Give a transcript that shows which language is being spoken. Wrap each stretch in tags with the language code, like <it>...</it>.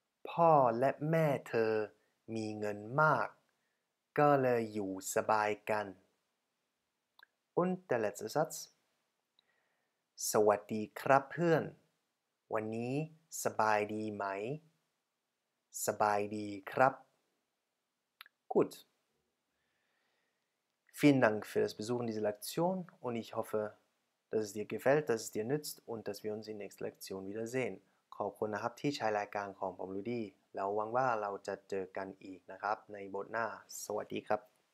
<th>พ่อและแม่เธอมีเงินมากก็เลยอยู่สบายกัน</th> <de>und der letzte Satz</de> <th>สวัสดีครับเพื่อน วันนี้สบายดีไหม สบายดีครับ</th> <de>gut. Vielen Dank für das Besuchen dieser Lektion und ich hoffe, dass es dir gefällt, dass es dir nützt und dass wir uns in der nächsten Lektion wiedersehen.</de> <th>ขอบคุณนะครับที่ใช้รายการของผมลูดี้แล้วหวังว่าเราจะเจอกันอีกนะครับในบทหน้าสวัสดีครับ</th>